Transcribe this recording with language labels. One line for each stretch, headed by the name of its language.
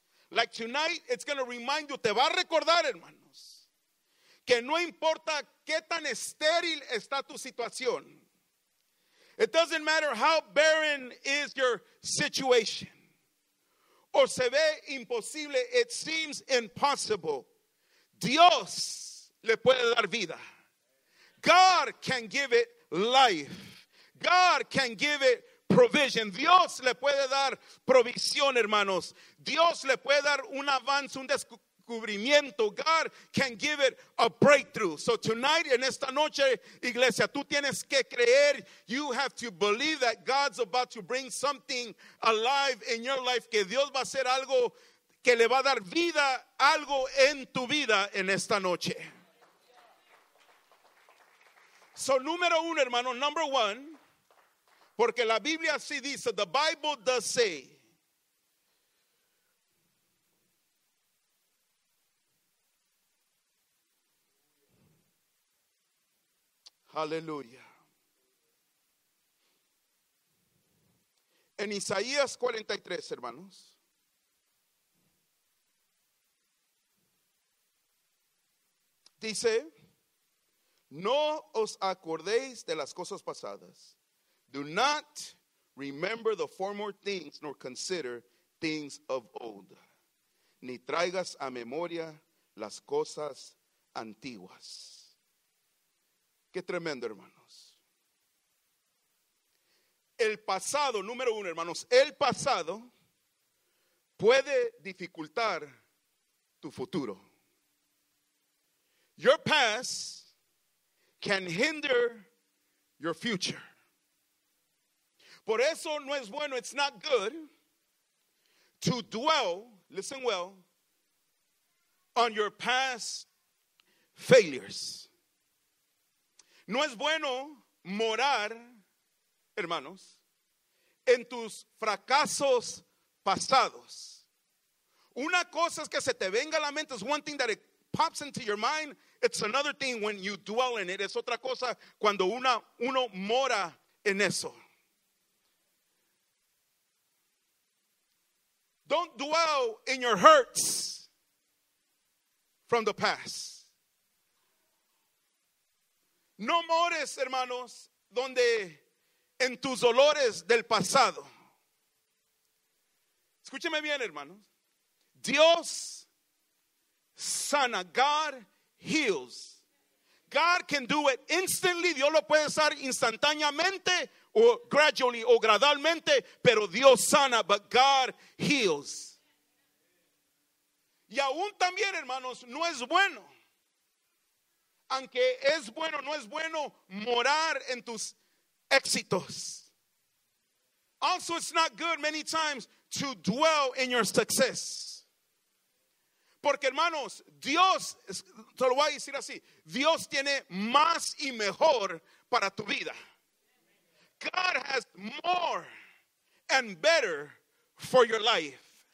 English: Like tonight, it's going to remind you. Te va a recordar, hermanos.
Spanish: Que no importa qué tan estéril está tu situación.
English: It doesn't matter how barren is your situation.
Spanish: O se ve imposible, it seems impossible. Dios le puede dar vida. God can give it life. God can give it provision. Dios le puede dar provisión, hermanos. Dios le puede dar un avance, un descubrimiento.
English: God can give it a breakthrough. So tonight, en esta noche, iglesia, tú tienes que creer. You have to believe that God's about to bring something alive in your life.
Spanish: Que Dios va a hacer algo que le va a dar vida, algo en tu vida en esta noche. So número uno, hermano, number one. Porque la Biblia sí dice, the Bible does say. Aleluya. En Isaías 43, hermanos. Dice, no os acordéis de las cosas pasadas.
English: Do not remember the former things, nor consider things of old.
Spanish: Ni traigas a memoria las cosas antiguas. Qué tremendo, hermanos. El pasado, número uno, hermanos, el pasado puede dificultar tu futuro.
English: Your past can hinder your future. Por eso no es bueno, it's not good to dwell, listen well, on your past failures.
Spanish: No es bueno morar, hermanos, en tus fracasos pasados. Una cosa es que se te venga a la mente, it's one thing that it pops into your mind, it's another thing when you dwell in it, es otra cosa cuando uno mora en eso.
English: Don't dwell in your hurts from the past.
Spanish: No mores, hermanos, donde en tus dolores del pasado. Escúcheme bien, hermanos. Dios sana.
English: God heals. God can do it instantly.
Spanish: Dios lo puede hacer instantáneamente. O gradually, o gradualmente, pero Dios sana, but God heals. Y aún también, hermanos, no es bueno. Aunque es bueno, no es bueno morar en tus éxitos.
English: Also, it's not good many times to dwell in your success.
Spanish: Porque hermanos, Dios, te lo voy a decir así, Dios tiene más y mejor para tu vida.
English: God has more and better for your life.